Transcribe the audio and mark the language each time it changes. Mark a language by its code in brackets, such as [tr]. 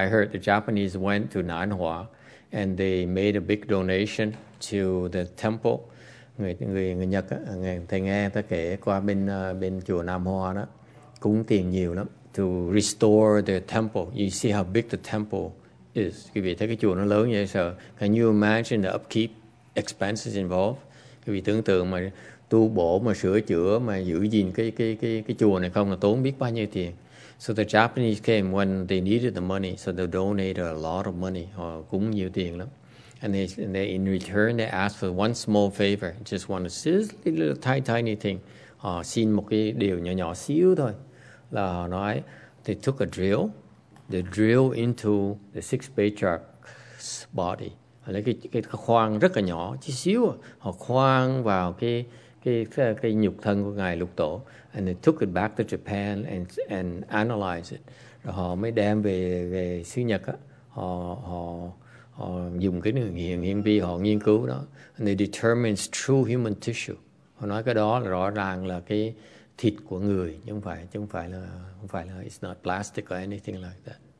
[en] I heard the Japanese went to Nanhua and they made a big donation to the temple. [vi] Người Nhật á, thầy nghe ta kể qua bên bên chùa Nam Hoa đó, cúng tiền nhiều lắm [en] to restore the temple. You see how big the temple is. [vi] Quý vị thấy cái chùa nó lớn như vậy sao? [en] Can you imagine the upkeep expenses involved? [vi] Quý vị tưởng tượng mà tu bổ mà sửa chữa mà giữ gìn cái chùa này không là tốn biết bao nhiêu tiền. [en] So the Japanese came when they needed the money, so they donated a lot of money. [vi] Họ cúng nhiều tiền lắm. [en] And they in return they asked for one small favor, just one little tiny thing. [vi] Họ xin một cái điều nhỏ nhỏ xíu thôi. Là họ nói [en] they took a drill, they drill into the sixth patriarch's body. [vi] Họ lấy cái khoang rất là nhỏ, chỉ xíu. Họ khoang vào cái nhục thân của ngài Lục Tổ. [en] And they took it back to Japan and analyzed it. [vi] Rồi họ mới đem về xứ Nhật á. Họ dùng cái đường hiện vi họ nghiên cứu đó. [en] And they determine true human tissue. [vi] Họ nói cái đó là rõ ràng là cái thịt của người, chứ không phải là [en] it's not plastic or anything like that.